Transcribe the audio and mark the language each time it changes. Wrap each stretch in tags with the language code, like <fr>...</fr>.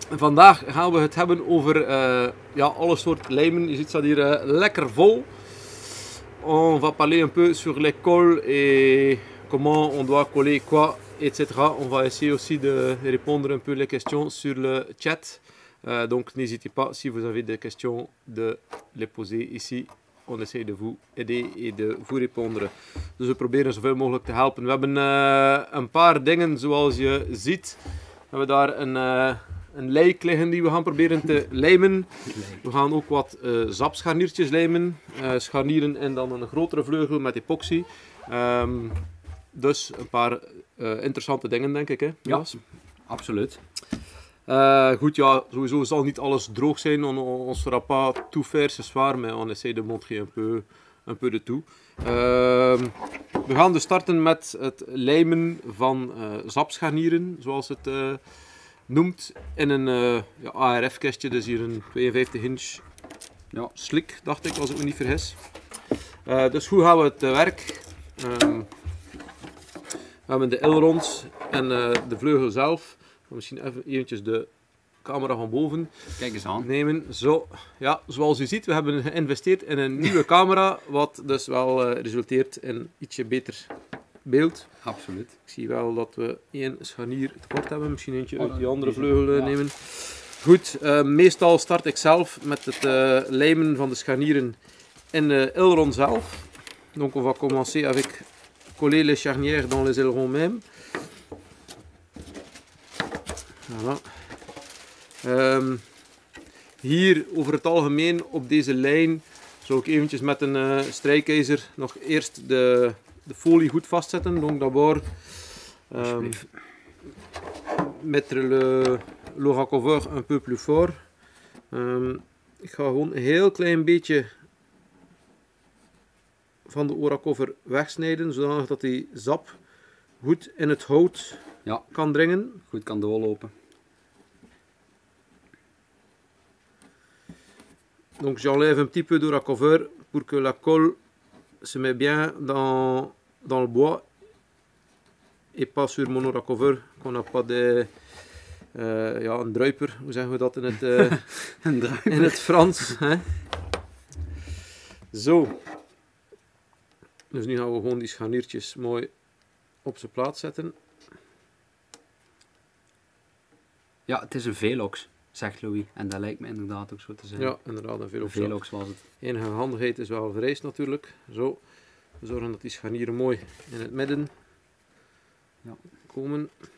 <nl>Vandaag gaan we het hebben over alle soorten lijmen. Je ziet, het staat hier lekker vol.</nl> <fr>On va parler un peu sur les cols et comment on doit coller quoi, etc. On va essayer aussi de répondre un peu les questions sur le chat. Donc n'hésitez pas, si vous avez des questions, de les poser ici. On essaie de vous aider et de vous répondre.</fr> <nl>Dus we proberen zoveel mogelijk te helpen. We hebben een paar dingen, zoals je ziet. We hebben daar een lijk liggen die we gaan proberen te lijmen. We gaan ook wat zapscharniertjes lijmen. Scharnieren en dan een grotere vleugel met epoxy. Dus een paar interessante dingen, denk ik. Hè? Ja. Absoluut. Goed, ja, sowieso zal niet alles droog zijn.</nl> <fr>Ons rapat tout faire, c'est soir, mais on essaie de montrer un peu de tout.</fr> <nl>We gaan dus starten met het lijmen van zapscharnieren, zoals het noemt, in een ARF-kistje. Dus hier een 52 inch ja, slik, dacht ik, als ik me niet vergis. Dus hoe gaan we het werk? We hebben de ailerons en de vleugel zelf. Misschien even eventjes de camera van boven. Kijk eens aan. Nemen. Zo. Ja, zoals u ziet, we hebben geïnvesteerd in een nieuwe camera. Wat dus wel resulteert in ietsje beter beeld. Absoluut. Ik zie wel dat we één scharnier tekort hebben. Misschien eentje uit die andere vleugel nemen. Goed, meestal start ik zelf met het lijmen van de scharnieren in de aileron zelf.</nl> <fr>Donc on va commencer avec coller les charnières dans les ailerons même. Voilà.</fr> <nl>Hier over het algemeen op deze lijn zou ik eventjes met een strijkijzer nog eerst de folie goed vastzetten.</nl> <fr>Donc d'abord, mettre le recouvreur un peu plus fort.</fr> <nl>Ik ga gewoon een heel klein beetje van de oracover wegsnijden, zodat die zap goed in het hout kan dringen. Goed kan doorlopen.</nl> <fr>Donc j'enlève un petit peu de recouvreur pour que la colle se mette bien dans le bois et pas sur mon recouvreur qu'on n'a pas de un</fr> <nl>druiper, hoe zeggen we dat in het in het Frans, hè? Zo. Dus nu gaan we gewoon die scharniertjes mooi op zijn plaats zetten. Ja, het is een Velox. Zegt Louis, en dat lijkt me inderdaad ook zo te zijn. Ja, inderdaad, een Velox. Velox was het. Enige handigheid is wel vereist natuurlijk. Zo, we zorgen dat die scharnieren mooi in het midden komen.</nl>